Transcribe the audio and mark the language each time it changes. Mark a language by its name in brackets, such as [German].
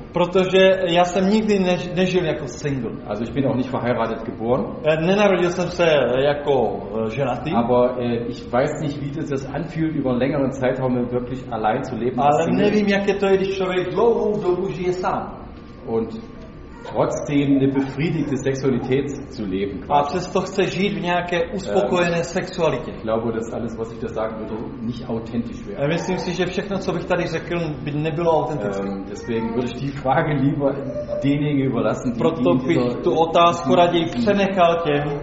[Czech] Protože já jsem nikdy nežil jako single. [German] Also ich bin auch nicht verheiratet geboren. [Czech] Nenarodil jsem se jako ženatý. [German] Aber ich weiß nicht, wie das anfühlt, über einen längeren Zeitraum wirklich allein zu leben. [Czech] Ale nevím, jak je to, když člověk dlouhou dobu žije sám. [German] Und trotzdem eine befriedigte Sexualität zu leben. [Czech] A přesto chce žít v nějaké uspokojené sexualitě. [German] Ich glaube, dass alles, was ich da sagen würde, nicht authentisch wäre. [Czech] Myslím si, že všechno, co bych tady řekl, by nebylo autentické. [German] Deswegen würde ich die Frage lieber denjenigen überlassen, die [Czech] Proto bych tu otázku raději přenechal těm,